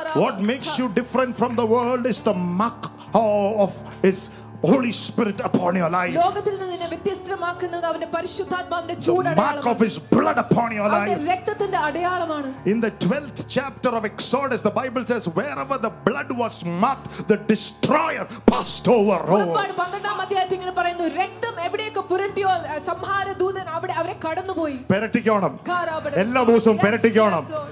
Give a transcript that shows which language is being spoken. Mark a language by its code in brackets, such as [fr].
[en] What makes you different from the world is the mark of His Holy Spirit upon your life. [ml] ലോകത്തിൽ നിന്ന് നിന്നെ വ്യത്യസ്തമാക്കുന്നത് അവന്റെ പരിശുദ്ധാത്മാവിന്റെ ചൂടടയാളം. [en] Mark of His blood upon your life. [ml] അവന്റെ രക്തത്തിന്റെ അടയാളമാണ്. [en] In the 12th chapter of Exodus, the Bible says, wherever the blood was marked, the destroyer passed over. [ml] പന്ത്രണ്ടാം അധ്യായത്തിൽ ഇങ്ങനെ പറയുന്നു, രക്തം എവിടെയൊക്കെ പുരട്ടിയോ സംഹാര ദൂതൻ അവിടെ അവരെ കടന്നുപോയി. പുരട്ടിക്കോണം, എല്ലാ ദിവസവും പുരട്ടിക്കോണം.